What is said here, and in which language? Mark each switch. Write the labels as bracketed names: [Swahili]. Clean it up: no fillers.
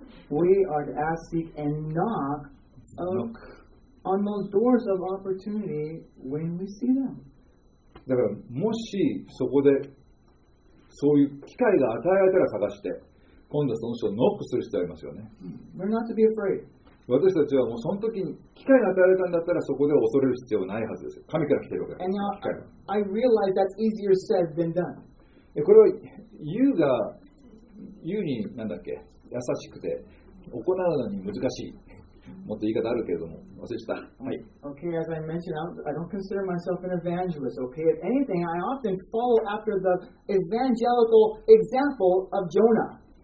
[English] We are to ask, seek, and knock, knock on those doors of opportunity when we see them. [Japanese] だからもしそこでそういう機会が与えられたら探して、今度はその人をノックする必要がありますよね。 [English] We're not to be afraid. [Japanese] 私たちはもうその時に機会が与えられたんだったらそこで恐れる必要はないはずです。神から来ているわけです。 [English] And now, I realize that's easier said than done. [Japanese] これは言うが、言うになんだっけ、優しくて、行うのに難しい。もっと言い方あるけれども、忘れちゃった。はい。 [English] Okay, as I mentioned, I don't consider myself an evangelist, okay? If anything, I often follow after the evangelical example of Jonah.